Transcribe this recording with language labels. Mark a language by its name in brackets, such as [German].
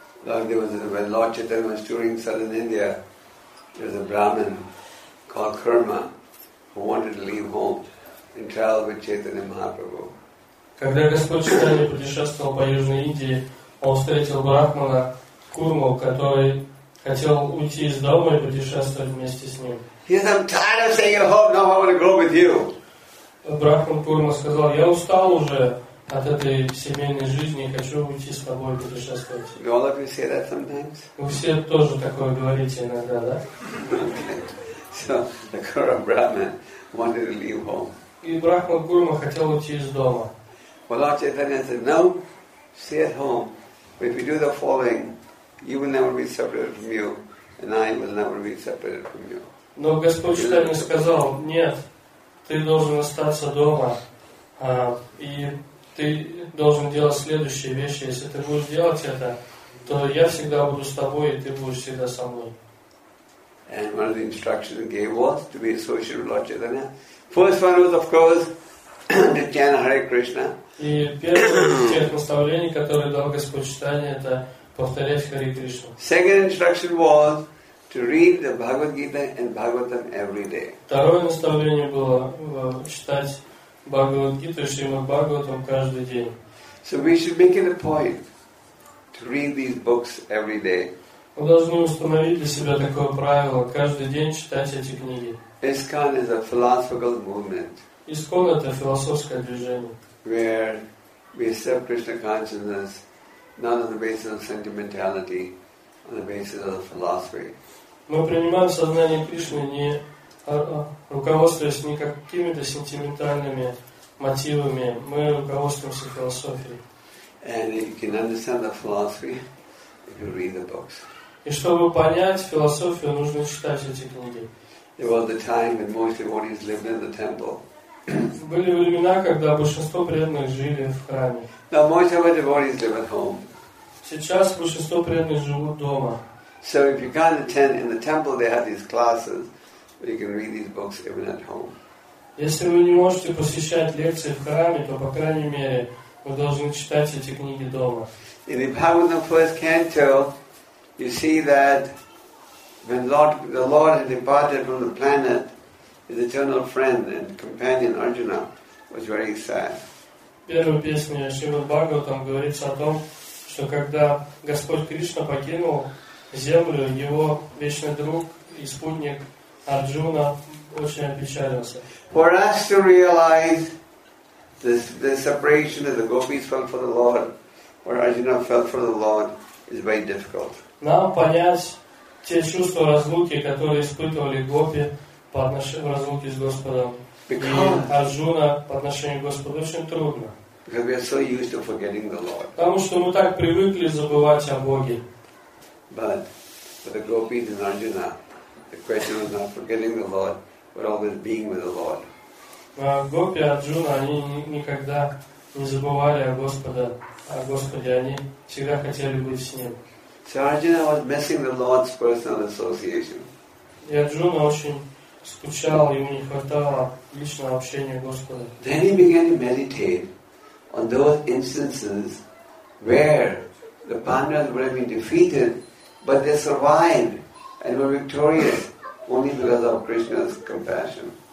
[English] Lord Chaitanya was touring southern India. There was a Brahmin called Kurma who wanted to leave home and travel with Chaitanya Mahaprabhu. [Russian] Когда Господь Чайтанья путешествовал по Южной Индии, он встретил Брахмана Курму, который хотел уйти из дома и путешествовать вместе с ним. [English] He said, I'm tired of staying at home. No, I want to go with you. [Russian] Брахман Курма сказал, я устал уже от этой семейной жизни и хочу уйти с тобой путешествовать. [English] You all of you say that sometimes? [Russian] Вы все тоже такое говорите иногда, да? [English] So, the Kurma Brahman wanted to leave home. [Russian] И Брахман Курма хотел уйти из дома. [English] Well, Lord Chaitanya said, no, stay at home. But if you do the following, you will never be separated from you, and I will never be separated from you. [Russian] Но Господь Чайтанья сказал, нет, ты должен остаться дома, и ты должен делать следующие вещи. Если ты будешь делать это, то я всегда буду с тобой, и ты будешь всегда со мной. [English] And one of the instructions he gave was to be associated with Lord Chaitanya. First one was, of course, to chant Hare Krishna. [Russian] И первое из тех наставлений, которые дал Господь Чайтанья, это повторять Хари Кришну. [English] Second instruction was to read the Bhagavad Gita and Bhagavatam every day. [Russian] Второе наставление было читать Бхагавад Гиту и Шримад Бхагаватам каждый день. [English] So we should make it a point to read these books every day. [Russian] Мы должны установить для себя такое правило: каждый день читать эти книги. [English] ISKCON is a philosophical movement. [Russian] ISKCON — это философское движение. [English] Where we accept Krishna consciousness not on the basis of sentimentality, on the basis of philosophy. [Russian] Мы принимаем сознание Кришны не руководствуясь ни какими-то сентиментальными мотивами, мы руководствуемся философией. [English] And you can understand the philosophy if you read the books. [Russian] И чтобы понять философию, нужно читать эти книги. [English] There was a time when most devotees lived in the temple. [Russian] Были времена, когда большинство преданных жили в храме. [English] Now most of our devotees live at home. [Russian] Сейчас большинство преданных живут дома. [English] So if you can't attend in the temple, they have these classes where you can read these books even at home. [Russian] Если вы не можете посещать лекции в храме, то по крайней мере вы должны читать эти книги дома. [English] In the Bhagavatam first canto, you see that when the Lord had departed from the planet, his eternal friend and companion Arjuna was very sad. [Russian] Первая песня Шримад Бхагаватам говорится о том, что когда Господь Кришна покинул землю, его вечный друг и спутник Арджуна очень опечалился. [English] For us to realize the separation that the gopis felt for the Lord, or Arjuna felt for the Lord, is very difficult. [Russian] Нам понять те чувства разлуки, которые испытывали гопи в разлуке с Господом и Арджуна по отношению к Господу, очень трудно. [English] Because we are so used to forgetting the Lord. [Russian] Потому что мы так привыкли забывать о Боге. [English] But for the gopis and Arjuna, the question was not forgetting the Lord, but always being with the Lord. [Russian] Гопи, Арджуна, они никогда не забывали о Господе, о Господе, они всегда хотели быть с Ним. [English] So Arjuna was missing the Lord's personal association. [Russian] И Арджуна очень скучал, ему не хватало личного общения с Господом. [English] Then he began to meditate on those instances where the Pandavas would have been defeated, but they survived and were victorious only because of Krishna's compassion.